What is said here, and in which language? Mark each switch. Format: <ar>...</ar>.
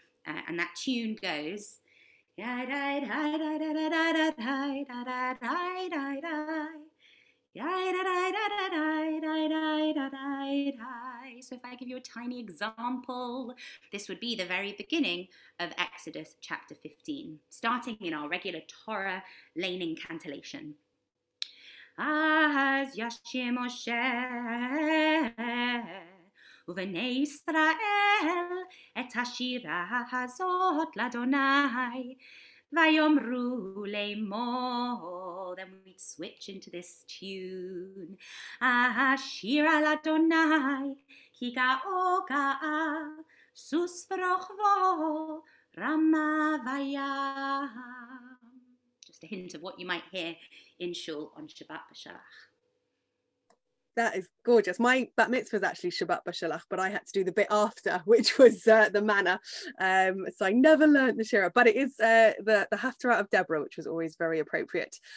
<en>And that tune goes, so if I give you a tiny example, this would be the very beginning of Exodus chapter 15, starting in our regular Torah laning cantillation.</en> <he>Ahaz Yashir Moshe ובני ישראל את השירה הזאת לאדוני ויאמרו לאמור.</he> <en>Then we'd switch into this tune.</en> <he>השירה לאדוני כי גאו גאה סוס ורוכבו רמה וים.</he> <en>Just a hint of what you might hear in shul on Shabbat Bashalach. That is gorgeous. My bat mitzvah is actually Shabbat Bashalach, but I had to do the bit after, which was the manna. So I never learned the Shira, but it is the Haftarah of Deborah, which was always very appropriate.</en>